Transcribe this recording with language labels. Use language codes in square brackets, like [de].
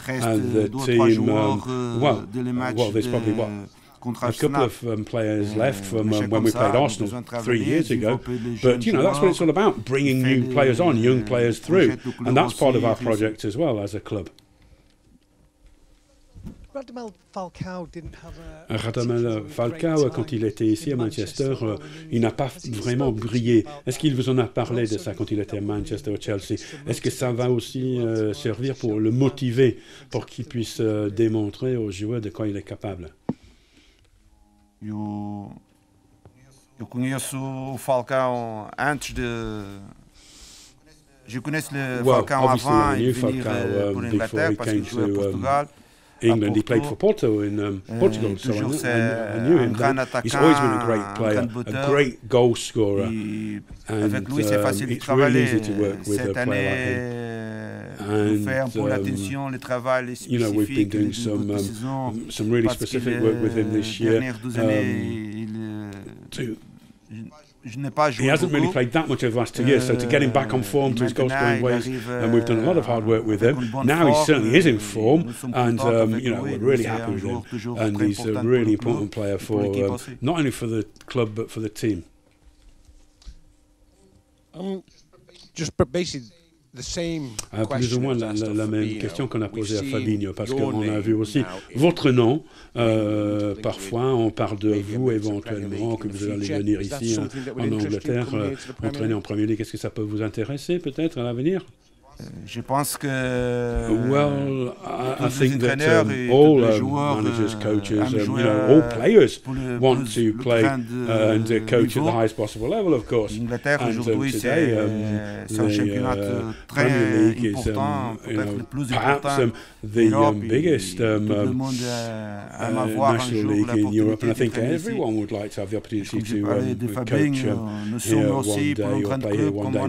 [en] And the team, well, there's probably what? A couple of players left from when we played Arsenal 3 years ago. But, you know, that's what it's all about, bringing new players on, young players through. And that's part of our project as well as a club. Radamel Falcao didn't have a... [fr] Radamel Falcao, quand il était ici à Manchester, il n'a pas vraiment brillé. Est-ce qu'il vous en a parlé de ça quand il était à Manchester ou Chelsea? Est-ce que ça va aussi servir pour le motiver, pour qu'il puisse démontrer aux joueurs de quoi il est capable? [pt] Eu conheço o Falcão antes de... Eu conheço o Falcão [fr] avant de [pt] vir por Inglaterra, para se jogar em Portugal. [en] England, he played for Porto in Portugal, so I knew him then. He's always been a great player, a great goal scorer, and it's really easy to work with a player like him. And, you know, we've been doing some really specific work with him this year. He hasn't really played that much over the last 2 years, so to get him back on form to his goal scoring ways, and we've done a lot of hard work with him. Now he certainly is in form, and you know, we're really happy with him. And he's a really important player for not only for the club but for the team. Just basically. [fr] Plus ou moins la même question qu'on a posée à Fabinho, parce qu'on a vu aussi votre nom. Parfois, on parle de vous éventuellement, que vous allez venir ici en Angleterre, entraîner en Premier League. Est-ce que ça peut vous intéresser peut-être à l'avenir? Je pense que [en] I think that all managers, coaches, you know, all players want to play and coach at the highest possible level, of course. And today, the Premier League is, perhaps the biggest national league in Europe, and I think everyone would like to have the opportunity to coach one day or play here one day.